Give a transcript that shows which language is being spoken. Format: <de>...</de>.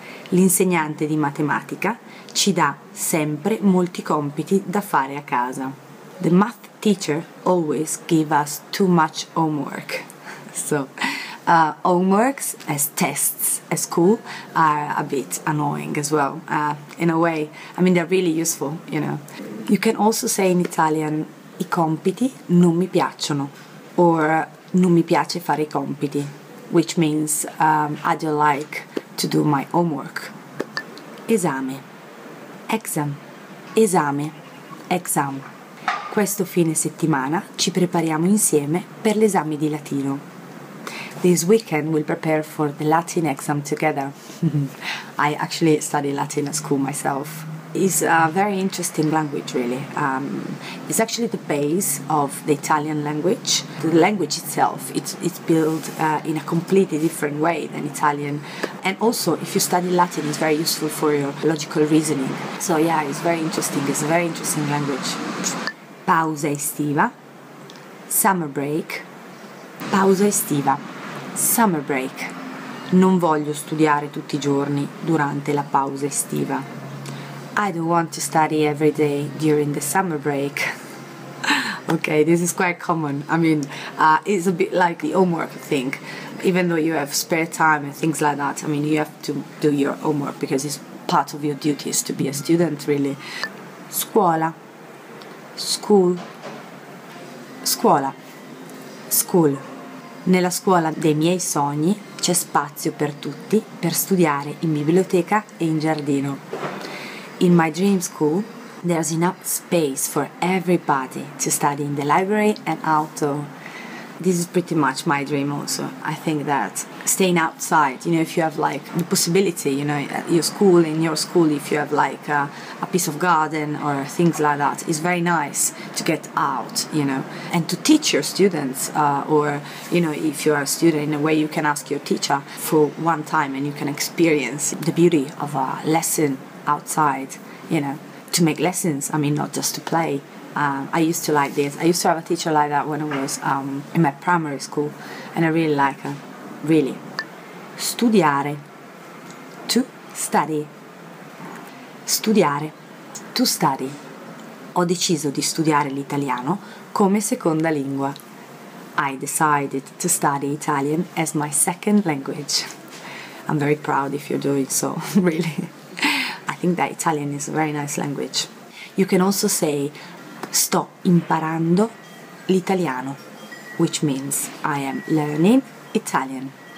<it>L'insegnante di matematica ci dà sempre molti compiti da fare a casa.</it> <en>The math teacher always gives us too much homework. So, homeworks as tests at school are a bit annoying as well. In a way, I mean, they're really useful, you know. You can also say in Italian,</en> <it>I compiti non mi piacciono,</it> <en>or</en> <it>non mi piace fare I compiti,</it> <en>which means I don't like to do my homework.</en> <it>Esame.</it> <en>Exam.</en> <it>Esame. Exam. Questo fine settimana ci prepariamo insieme per l'esame di latino.</it> <en>This weekend we'll prepare for the Latin exam together. I actually study Latin at school myself. It's a very interesting language, really. It's actually the base of the Italian language. The language itself, it's built in a completely different way than Italian. And also, if you study Latin, it's very useful for your logical reasoning. So yeah, it's very interesting. It's a very interesting language.</en> <it>Pausa estiva,</it> <en>summer break.</en> <it>Pausa estiva,</it> <en>summer break.</en> <it>Non voglio studiare tutti I giorni durante la pausa estiva.</it> <en>I don't want to study every day during the summer break. Okay, this is quite common. I mean, it's a bit like the homework thing. Even though you have spare time and things like that, I mean, you have to do your homework because it's part of your duties to be a student, really.</en> <it>Scuola.</it> <en>School.</en> <it>Scuola. School. Nella scuola dei miei sogni c'è spazio per tutti per studiare in biblioteca e in giardino.</it> <en>In my dream school, there's enough space for everybody to study in the library and outdoor. This is pretty much my dream also. I think that staying outside, you know, if you have like the possibility, you know, at your school, in your school, if you have like a piece of garden or things like that, it's very nice to get out, you know, and to teach your students or, you know, if you are a student, in a way you can ask your teacher for one time and you can experience the beauty of a lesson outside, you know, to make lessons, I mean, not just to play. I used to like this. I used to have a teacher like that when I was in my primary school, and I really like her, really.</en> <it>Studiare,</it> <en>to study.</en> <it>Studiare, to study. Ho deciso di studiare l'italiano come seconda lingua.</it> <en>I decided to study Italian as my second language. I'm very proud if you're doing so, really. I think that Italian is a very nice language. You can also say,</en> <it>sto imparando l'italiano,</it> <en>which means I am learning Italian.</en>